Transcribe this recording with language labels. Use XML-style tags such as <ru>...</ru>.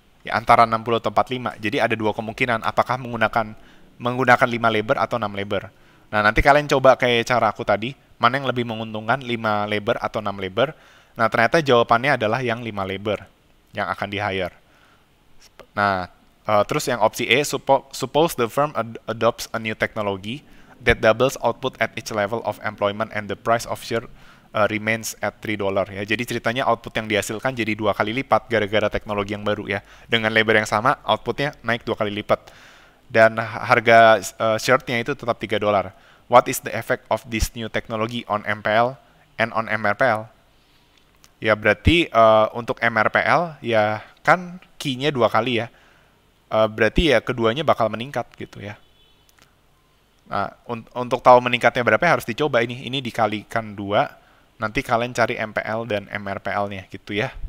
<id>Ya, antara 60 atau 45. Jadi ada dua kemungkinan, apakah menggunakan 5 labor atau 6 labor. Nah, nanti kalian coba kayak cara aku tadi, mana yang lebih menguntungkan, 5 labor atau 6 labor. Nah, ternyata jawabannya adalah yang 5 labor yang akan di-hire. Nah, terus yang opsi E,</id> <en>suppose the firm adopts a new technology that doubles output at each level of employment and the price of share remains at $3.</en> <id>Ya. Jadi ceritanya output yang dihasilkan jadi 2 kali lipat gara-gara teknologi yang baru ya. Dengan labor yang sama, outputnya naik 2 kali lipat. Dan harga shirt-nya itu tetap $3.</id> <en>What is the effect of this new technology on MPL and on MRPL?</en> <id>Ya, berarti untuk MRPL, ya kan key-nya 2 kali ya. Berarti ya keduanya bakal meningkat gitu ya. Nah, untuk tahu meningkatnya berapa harus dicoba ini. Ini dikalikan 2, nanti kalian cari MPL dan MRPL-nya gitu ya.</id>